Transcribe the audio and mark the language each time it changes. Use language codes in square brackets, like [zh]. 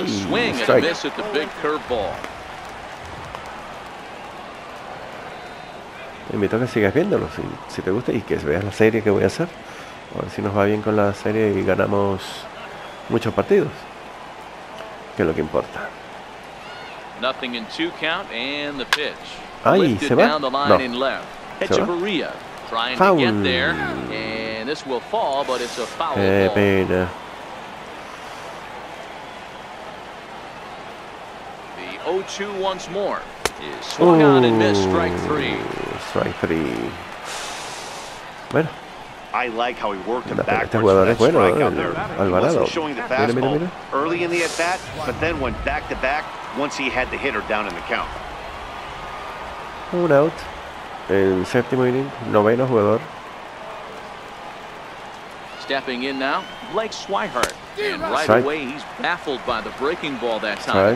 [en] a swing strike. And a miss at the big curveball. [es] Te invito a que sigas viéndolo si, si te gusta y que veas la serie que voy a hacer. A ver si nos va bien con la serie y ganamos muchos partidos. Que es lo que importa. [en] Nothing in two count and the pitch. [es] Ay, se va. No. [en] Echeverría trying foul. To get there. And this will fall, but it's a foul. [es] Qué pena. [en] The 0-2 once more. Is swung on and missed strike three. Strike three. [es] Bueno. [en] I like how he worked him back. [es] Este jugador es bueno, Alvarado. Mira, mira, mira. [en] Early in the at bat, but then went back to back once he had the hitter down in the count. [es] Un out. En séptimo inning, noveno jugador. [en] Stepping in now, Blake Swihart. And right strike. Away, he's baffled by the breaking ball that time.